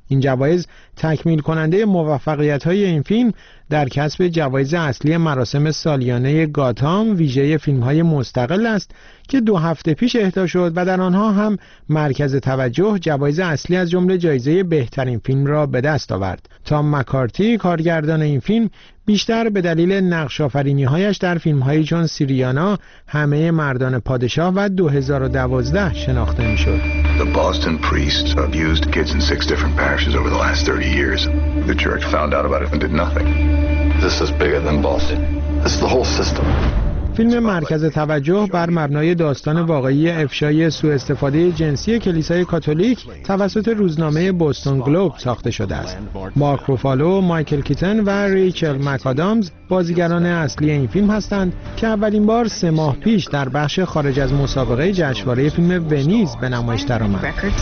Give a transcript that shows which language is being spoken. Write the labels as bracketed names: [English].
[Persian] این جوایز تکمیل کننده موفقیت‌های این فیلم در کسب جوایز اصلی مراسم سالیانه گاتام ویژه فیلم‌های مستقل است که دو هفته پیش اهدا شد و در آنها هم مرکز توجه جوایز اصلی از جمله جایزه بهترین فیلم را به دست آورد. تام مکارتی کارگردان این فیلم بیشتر به دلیل نقش‌آفرینی‌هایش در فیلم‌های جان سیریانا، همه مردان پادشاه و 2012 شناخته می‌شد. [English] The Boston priests abused kids in six different parishes over the last 30 years. The church found out about it and did nothing. This is bigger than Boston. This is the whole system. [Persian] فیلم مرکز توجه بر مبنای داستان واقعی افشای سوء استفاده جنسی کلیسای کاتولیک توسط روزنامه بوستون گلوب ساخته شده است. مارک روفالو، مایکل کیتن و ریچل مک‌آدامز بازیگران اصلی این فیلم هستند که اولین بار 3 ماه پیش در بخش خارج از مسابقه جشنواره فیلم ونیز به نمایش درآمد.